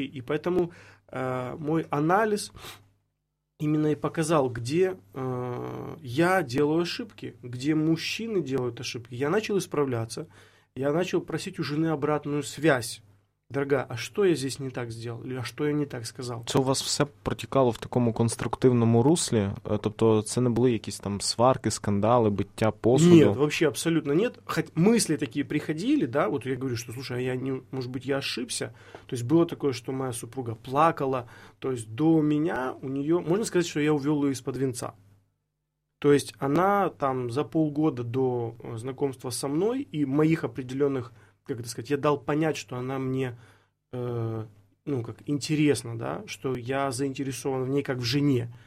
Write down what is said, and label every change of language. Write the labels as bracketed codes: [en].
[ru] И поэтому мой анализ именно и показал, где я делаю ошибки, где мужчины делают ошибки. Я начал исправляться, я начал просить у жены обратную связь. Дорогая, а что я здесь не так сделал? Или а что я не так сказал? [uk] Це у вас все протікало в такому конструктивному руслі? Тобто це не були якісь там сварки, скандали, биття посуду? [ru] Нет, вообще абсолютно нет. Хоть мысли такие приходили, да, вот я говорю, что, слушай, может быть, я ошибся. То есть было такое, что моя супруга плакала. То есть до меня у нее, можно сказать, что я увел ее из-под венца. То есть она там за полгода до знакомства со мной и моих определенных, как это сказать, я дал понять, что она мне, ну, как, интересно, да, что я заинтересован в ней как в жене.